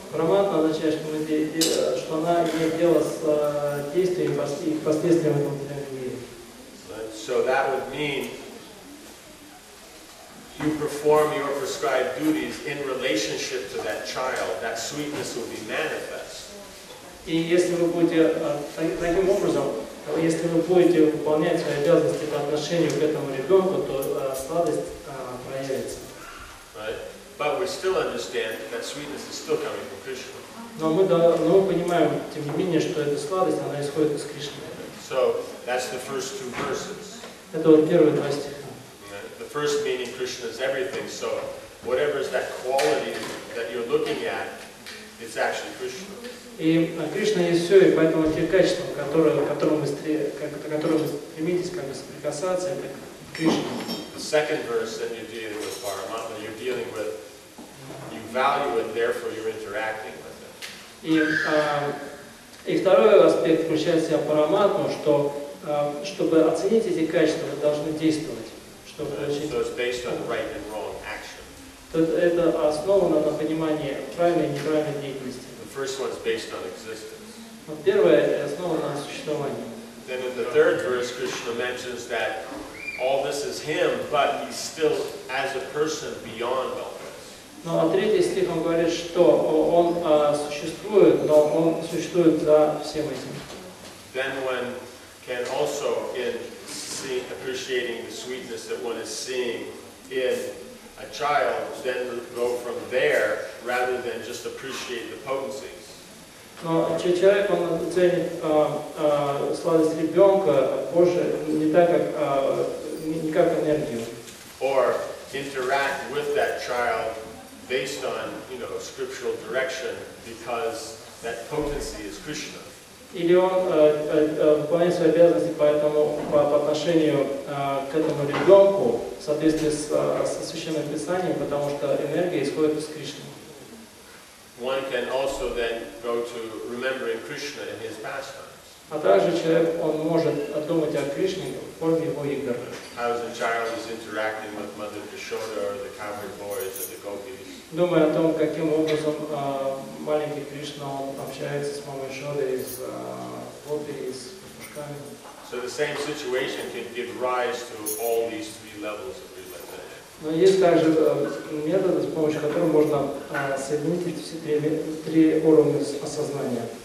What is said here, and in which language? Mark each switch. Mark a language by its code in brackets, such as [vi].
[ru] Paramatma означает, что мы что она имеет дело с действием и последствием этого материального мира. [en] So that would mean you perform your prescribed duties in relationship to that child, that sweetness will be manifest. [ru] И если вы будете таким образом, если вы будете выполнять свои обязанности по отношению к этому ребенку, то сладость проявится. [en] But we still understand that sweetness is still coming from Krishna. [ru] Но мы понимаем, тем не менее, что эта сладость, она исходит из Кришны. [en] So that's the first two verses. [ru] Это вот первые два стиха. [en] The first meaning Krishna is everything, so whatever is that quality that you're looking at, it's actually Krishna. [ru] И Кришна есть все, и поэтому те качества, к которым вы стремитесь как бы соприкасаться, это Krishna. [en] The second verse, then you're dealing with Paramatma. You're dealing with, you value it, therefore you're interacting with it. [ru] И второй аспект включает в себя параматму, что чтобы оценить эти качества, вы должны действовать. Чтобы это основано на понимании правильной и неправильной деятельности. [en] The first one is based on existence. [ru] Вот первое основано на существовании. [en] Then in the third verse, Krishna mentions that all this is him, but he's still as a person beyond all. [ru] Ну а третий стих он говорит, что он существует, но он существует за всем этим. [en] Then one can also in seeing, appreciating the sweetness that one is seeing in a child, then go from there rather than just appreciate the potencies. [ru] Но человек он оценит сладость ребенка больше не так как не как энергию. [en] Or interact with that child based on, you know, scriptural direction, because that potency is Krishna. [ru] Или он выполняет свои обязанности, поэтому по отношению к этому ребенку, в соответствии с Священным Писанием, потому что энергия исходит из Кришны. [en] One can also then go to remembering Krishna in his pastimes. [ru] А также человек он может думать о Кришне в форме его игр. [en] As a child is interacting with Mother Yashoda or the cowherd boys or the gopis. [ru] Думая о том, каким образом маленький Кришна общается с мамой Шодой, с Гопи, с пушками. [en] So the same situation can give rise to all these three levels of realization. [ru] Но есть также методы, с помощью которых можно соединить эти все три уровня осознания.